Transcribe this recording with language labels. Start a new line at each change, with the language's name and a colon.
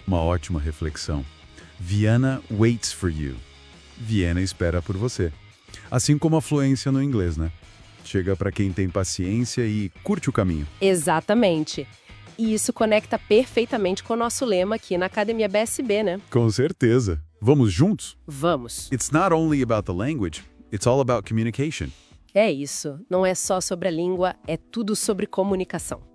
Portuguese: Uma ótima reflexão. Viena
English: waits for you.
Portuguese: Viena espera por você. Assim como a fluência no inglês, né? Chega para quem tem paciência e curte o caminho. Exatamente. E isso conecta perfeitamente com o nosso lema aqui na Academia BSB, né? Com certeza. Vamos juntos? Vamos.
English: It's not only about the language, it's all about communication.
Portuguese: É isso. Não é só sobre a língua, é tudo sobre comunicação.